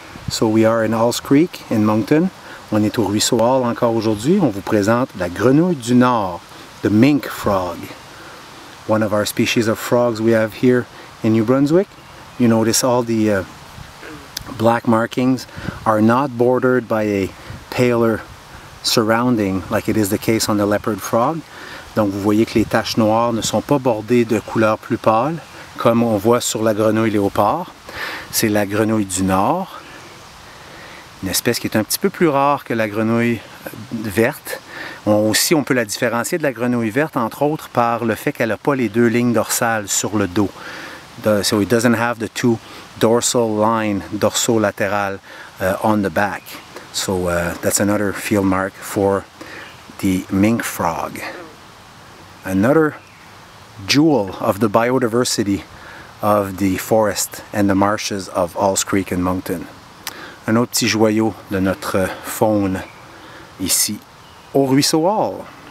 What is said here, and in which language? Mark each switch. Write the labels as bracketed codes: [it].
[en] So we are in Halls Creek in Moncton. [fr] On est au ruisseau Hall encore aujourd'hui. On vous présente la grenouille du Nord, [en] the mink frog. One of our species of frogs we have here in New Brunswick. You notice all the black markings are not bordered by a paler surrounding like it is the case on the leopard frog. [fr] Donc vous voyez que les taches noires ne sont pas bordées de couleurs plus pâles comme on voit sur la grenouille léopard. C'est la grenouille du Nord. Une espèce qui est un petit peu plus rare que la grenouille verte. On peut la différencier de la grenouille verte, entre autres, par le fait qu'elle n'a pas les deux lignes dorsales sur le dos. [en] So it doesn't have the two dorsal line, dorsal latéral, on the back. So that's another field mark for the mink frog. Another jewel of the biodiversity of the forest and the marshes of Halls Creek and Moncton. [fr] Un autre petit joyau de notre faune ici au ruisseau Hall.